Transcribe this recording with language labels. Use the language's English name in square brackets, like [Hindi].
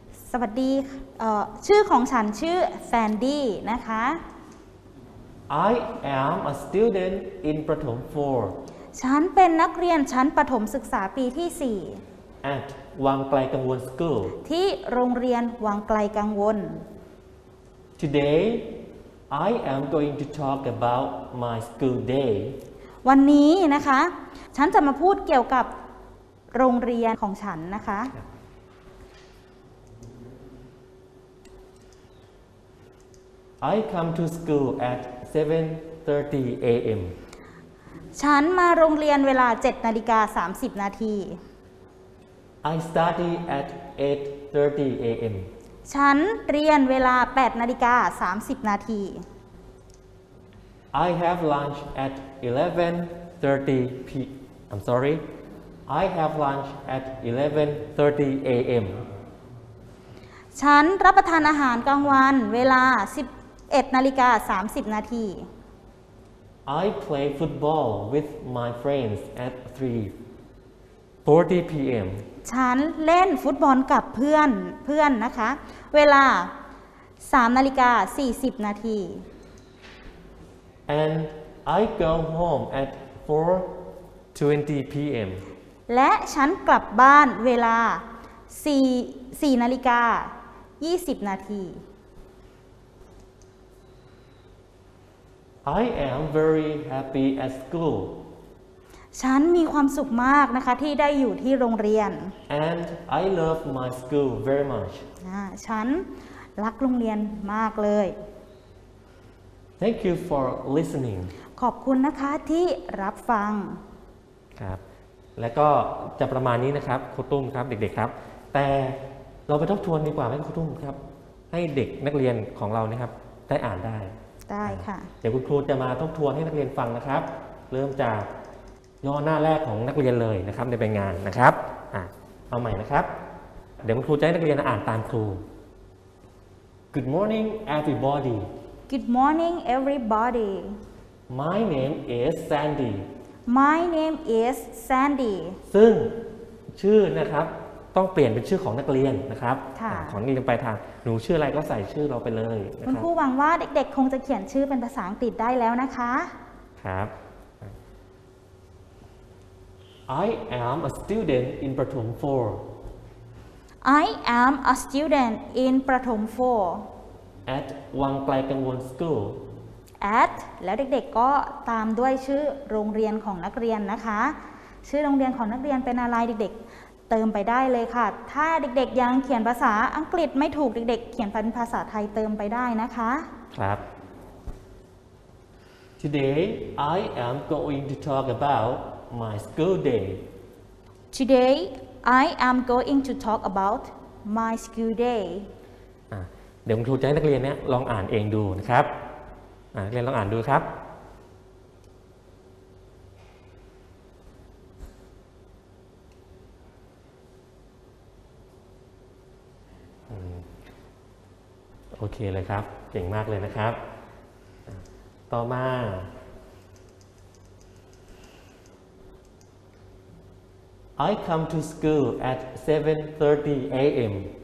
[Thai] สวัสดีชื่อของฉันชื่อ Sandy นะคะ [English] I am a student in Pratham 4. [Thai] ฉันเป็นนักเรียนชั้นประถมศึกษาปีที่4. [English] At Wang Klai Kangwon School. [Thai] ที่โรงเรียนวังไกลกังวล. [English] Today, I am going to talk about my school day. [Thai] วันนี้นะคะฉันจะมาพูดเกี่ยวกับโรงเรียนของฉันนะคะ [English] I come to school at 7:30 a.m. [Thai] ฉันมาโรงเรียนเวลา 7:30 นาที [English] I study at 8:30 a.m. [Thai] ฉันเรียนเวลา 8:30 นาที [English] I have lunch at 11:30 p.m. I'm sorry. I have lunch at 11:30 a.m. [Thai] ฉันรับประทานอาหารกลางวันเวลา 11:30 นาที [English] I play football with my friends at 3:40 p.m. [Thai] ฉันเล่นฟุตบอลกับเพื่อนนะคะเวลา 3:40 นาที [English] And I go home at 4:20 p.m. [Thai] และฉันกลับบ้านเวลา 4:20 นาที [English] I am very happy at school. [Thai] ฉันมีความสุขมากนะคะที่ได้อยู่ที่โรงเรียน [English] And I love my school very much. [Thai] ฉันรักโรงเรียนมากเลย [English] Thank you for listening. [Thai] ขอบคุณนะคะที่รับฟัง ครับและก็จะประมาณนี้นะครับครูตุ้มครับเด็กๆครับแต่เราไปทบทวนดีกว่าไหมครูตุ้มครับให้เด็กนักเรียนของเรานะครับได้อ่านได้ ได้ค่ะ เดี๋ยวคุณครูจะมาทบทวนให้นักเรียนฟังนะครับเริ่มจากย่อหน้าแรกของนักเรียนเลยนะครับในใบงานนะครับเอาใหม่นะครับเดี๋ยวคุณครูจะให้นักเรียนอ่านตามครู [English] Good morning everybody Good morning everybody My name is Sandy My name is Sandy [Thai] ซึ่งชื่อนะครับต้องเปลี่ยนเป็นชื่อของนักเรียนนะครับของนักเรียนปลายทางหนูชื่ออะไรก็ใส่ชื่อเราไปเลยนะครับ คุณครูหวังว่าเด็กๆคงจะเขียนชื่อเป็นภาษาอังกฤษได้แล้วนะคะ [English] ครับ I am a student in Pratham 4 I am a student in Pratham 4 at Wang Klai Kangwon School [Thai] at แล้วเด็กๆก็ตามด้วยชื่อโรงเรียนของนักเรียนนะคะชื่อโรงเรียนของนักเรียนเป็นอะไรเด็กๆเติมไปได้เลยค่ะถ้าเด็กๆยังเขียนภาษาอังกฤษไม่ถูกเด็กๆเขียนเป็นภาษาไทยเติมไปได้นะคะ [English] ครับ Today I am going to talk about my school day Today I am going to talk about my school day [Thai] เดี๋ยวครูจะให้นักเรียนเนี่ยลองอ่านเองดูนะครับนักเรียนลองอ่านดูครับโอเคเลยครับเก่งมากเลยนะครับต่อมา [English] I come to school at 7:30 a.m.